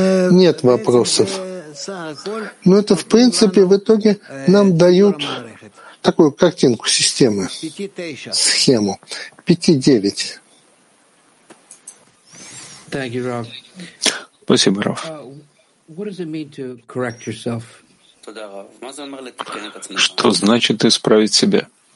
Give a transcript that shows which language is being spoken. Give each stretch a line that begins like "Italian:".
Russian: Нет вопросов. Но это, в принципе, в итоге нам дают такую картинку системы, схему. 5-9.
English: Thank you, Rav.
Russian: Спасибо, Рав.
English: What does it mean to correct yourself?
Russian: Что значит исправить себя?